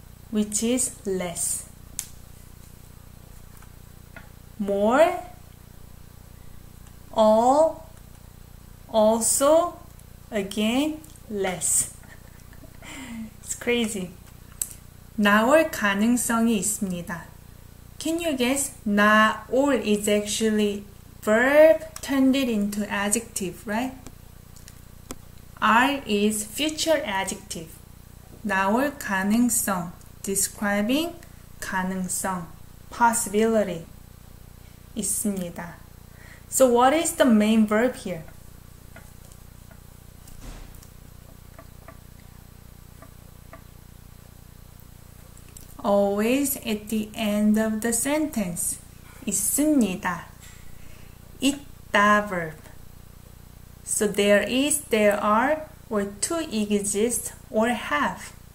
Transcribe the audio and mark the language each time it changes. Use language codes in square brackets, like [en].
[en] which is less. More, all, also, again, less. It's crazy. [ko] 나올 가능성이 있습니다. [en] Can you guess? 나올 is actually verb turned it into adjective, right? R is future adjective. [ko] 나올 가능성, describing 가능성, possibility, 있습니다. [en] So what is the main verb here? Always at the end of the sentence, 있습니다. 있다 verb. So there is, there are, or to exist, or have.